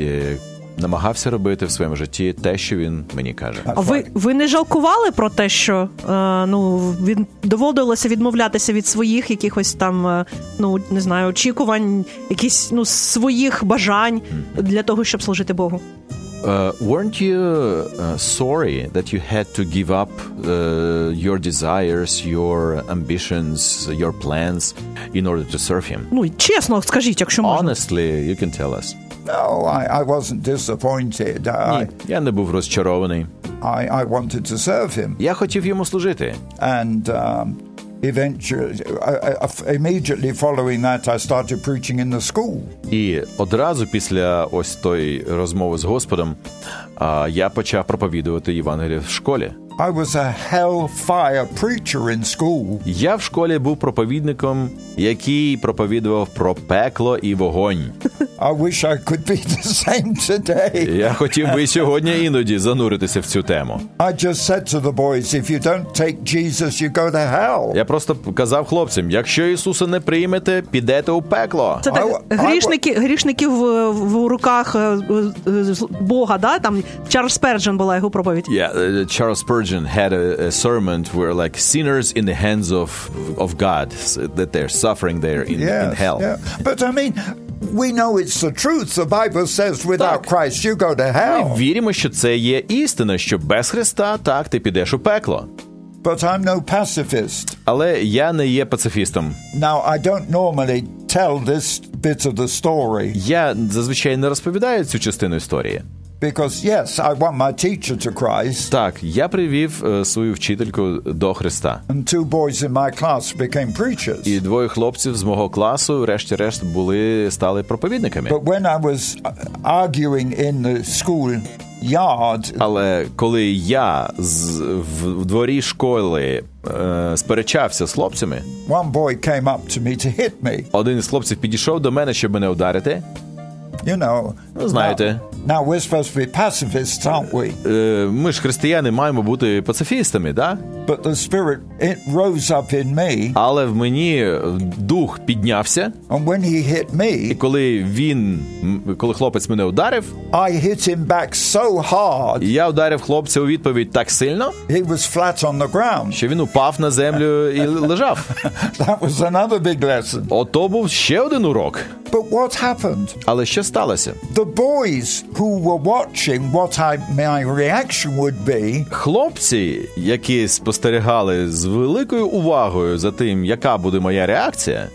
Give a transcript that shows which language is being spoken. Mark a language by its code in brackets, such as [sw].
[uk] І намагався робити в своєму житті те, що він мені каже. А ви не жалкували про те, що він доводилося відмовлятися від своїх якихось там, не знаю, очікувань, якісь своїх бажань для того, щоб служити Богу? [en] Weren't you sorry that you had to give up your desires, your ambitions, your plans in order to serve him? [uk] Ну, чесно скажіть, якщо можна. [en] Honestly, you can tell us. No, I wasn't disappointed. [uk] Я не був розчарований. [en] I wanted to serve him. [uk] Я хотів йому служити. [en] And immediately following that I started preaching in the school. [uk] І одразу після ось тої розмови з Господом, я почав проповідувати Євангеліє в школі. [en] I was a hellfire preacher in school. [uk] Я в школі був проповідником, який проповідував про пекло і вогонь. [en] I wish I could be the same today. [uk] Я хотів би сьогодні іноді зануритися в цю тему. [en] I just said to the boys, if you don't take Jesus, you go to hell. [uk] Я просто казав хлопцям: якщо Ісуса не приймете, підете у пекло. Це так, грішників в руках Бога, да? Там Чарльз Спердженом була його проповідь. [en] Yeah, Чарльз Spurgeon had a sermon where like sinners in the hands of God that they're suffering there in hell. Yeah. But I mean, we know it's the truth. The Bible says without [uk] так, [en] Christ you go to hell. [uk] Ми віримо, що це є істина, що без Христа так ти підеш у пекло. [en] But I'm no pacifist. [uk] Але я не є пацифістом. [en] Now I don't normally tell this bit of the story. [uk] Я зазвичай не розповідаю цю частину історії. [en] Because yes, I want my teacher to Christ. [uk] Так, я привів свою вчительку до Христа. [en] And two boys in my class became preachers. [uk] І двоє хлопців з мого класу врешті-решт стали проповідниками. [en] But when I was arguing in the school yard, [uk] але коли я в дворі школи сперечався з хлопцями, [en] one boy came up to me to hit me. [uk] Один із хлопців підійшов до мене, щоб мене ударити. [en] You know, [uk] знаєте, [en] now, Now we're supposed to be pacifists, aren't we? [uk] Ми ж християни маємо бути пацифістами, да? [en] But the spirit it rose up in me. [uk] Але в мені дух піднявся. [en] And when he hit me. [uk] І коли він, коли хлопець мене ударив, [en] I hit him back so hard. [uk] Я ударив хлопця у відповідь так сильно. [en] He was flat on the ground. [uk] Що він упав на землю і лежав. [en] That was another big lesson. [uk] Ото був ще один урок. [en] But what happened? [uk] Але що сталося? [en] The boys who were watching what I, my reaction would be. [uk] Хлопці, які спостерігали з великою увагою за тим, яка буде моя реакція.